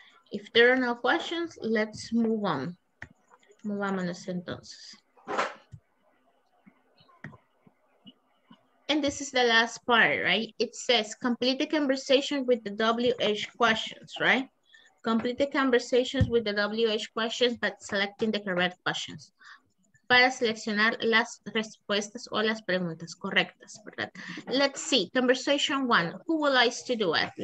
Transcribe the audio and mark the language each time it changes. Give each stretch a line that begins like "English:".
English: If there are no questions, let's move on.
Spanish: Movámonos entonces.
English: And this is the last part, right? It says, complete the conversation with the WH questions, right? Complete the conversations with the WH questions, but selecting the correct questions.
Spanish: Para seleccionar las respuestas o las preguntas correctas, ¿verdad?
English: Let's see, conversation one, who would like to do it?